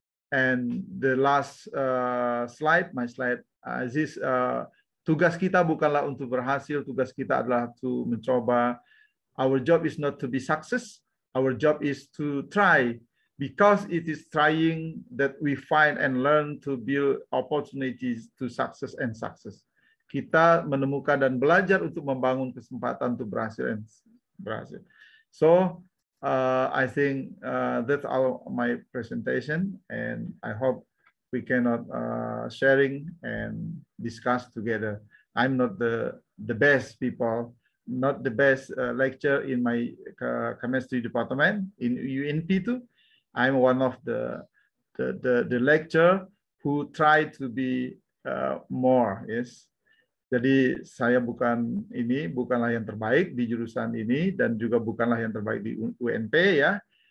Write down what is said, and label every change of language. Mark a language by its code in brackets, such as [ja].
[en] And the last slide, this [id] tugas kita bukanlah untuk berhasil, tugas kita adalah to mencoba. [en] Our job is not to be success, our job is to try, because it is trying that we find and learn to build opportunities to success and success. [id] Kita menemukan dan belajar untuk membangun kesempatan untuk berhasil dan berhasil. [en] So, I think that's all my presentation, and I hope we cannot sharing and discuss together. I'm not the best people, not the best lecturer in my chemistry department in UNP too. I'm one of the lecturer who try to be more. Yes. [id] Jadi saya bukanlah yang terbaik di jurusan ini dan juga bukanlah yang terbaik di UNP ya.